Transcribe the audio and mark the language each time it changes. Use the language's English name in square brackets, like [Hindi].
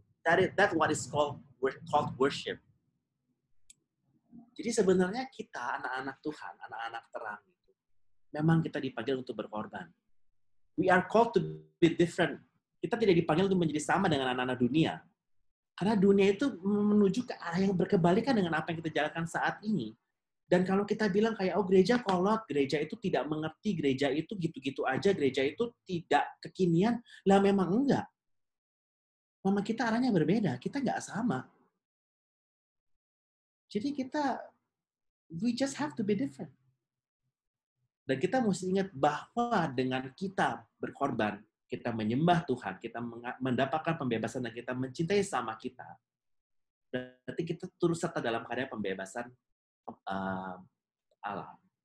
[English] That's what is called worship. [Indonesian] Jadi sebenarnya kita, anak-anak Tuhan, anak-anak terang, memang kita dipanggil untuk berkorban. [English] We are called to be different. [Indonesian] Kita tidak dipanggil untuk menjadi sama dengan anak-anak dunia. Karena dunia itu menuju ke arah yang berkebalikan dengan apa yang kita jalankan saat ini. Dan kalau kita bilang kayak, oh gereja kolot, gereja itu tidak mengerti, gereja itu gitu-gitu aja, gereja itu tidak kekinian, lah memang enggak. Memang kita arahnya berbeda, kita enggak sama. Jadi [English] we just have to be different. [Indonesian] Dan kita mesti ingat bahwa dengan kita berkorban, kita menyembah Tuhan, kita mendapatkan pembebasan dan kita mencintai sama kita, berarti kita turut serta dalam karya pembebasan Allah.